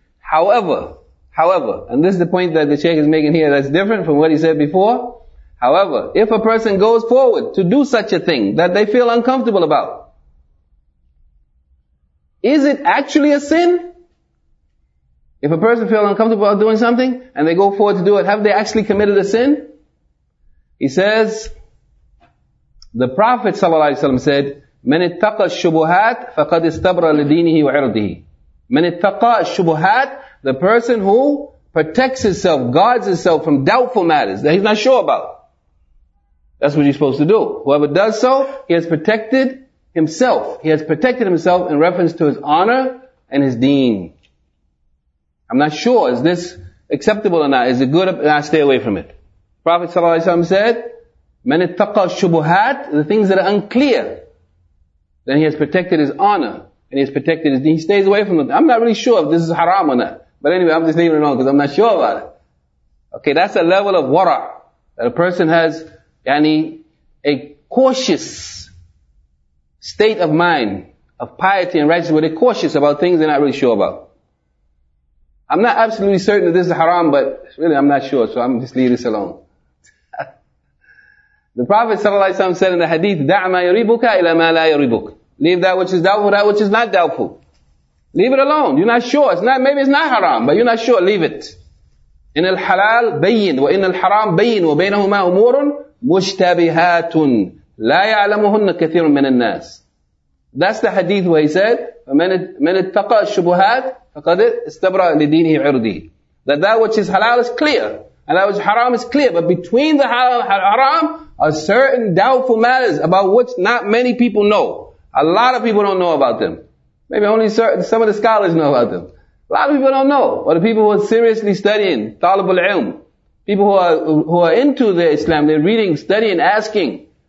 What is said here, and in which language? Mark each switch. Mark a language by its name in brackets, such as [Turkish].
[English] However, and this is the point that the Shaykh is making here that's different from what he said before. However, if a person goes forward to do such a thing that they feel uncomfortable about, is it actually a sin? If a person feels uncomfortable about doing something and they go forward to do it, have they actually committed a sin? He says, the Prophet ﷺ said, [Arabic] من اتقى الشبهات فقد استبرى لدينه وعرضه. من اتقى الشبهات, [English] the person who protects himself, guards himself from doubtful matters that he's not sure about. That's what you're supposed to do. Whoever does so, he has protected himself. He has protected himself in reference to his honor and his deen. I'm not sure, is this acceptable or not? Is it good? I stay away from it. Prophet ﷺ said, [Arabic] من اتقى الشبهات, [English] the things that are unclear, then he has protected his honor and he has protected his deen. He stays away from it. I'm not really sure if this is haram or not. But anyway, I'm just leaving it alone because I'm not sure about it. Okay, that's a level of wara that a person has, yani, a cautious state of mind of piety and righteousness, where they're cautious about things they're not really sure about. I'm not absolutely certain that this is haram, but really I'm not sure, so I'm just leaving this alone. The Prophet ﷺ said in the hadith, [Arabic] دَعْ مَا يَرِبُكَ إِلَى مَا لَا يَرِبُكَ. [English] Leave that which is doubtful, that which is not doubtful. Leave it alone. You're not sure. Maybe it's not haram, but you're not sure. Leave it. [Arabic] إِنْ الْحَلَالُ بَيِّنُ وَإِنْ الْحَرَامُ بَيِّنُ وَبَيْنَهُمَا أُمُورٌ مُشْتَبِهَاتٌ لَا يَعْلَمُهُنَّ كَثِيرٌ مِنَ النَّاسِ. [English] That's the hadith where he said, [Arabic] فَمَنْ اتَّقَى الشُّبُهَاتِ فَقَدْ اسْتَبْرَى لِدِينِهِ عِرْضِهِ. [English] That which is halal is clear, and that which is haram is clear, but between the halal and haram are certain doubtful matters about which not many people know. A lot of people don't know about them. Maybe only some of the scholars know about them. A lot of people don't know. Or the people who are seriously studying, talib al-ilm, people who are into the Islam, they're reading, studying, asking.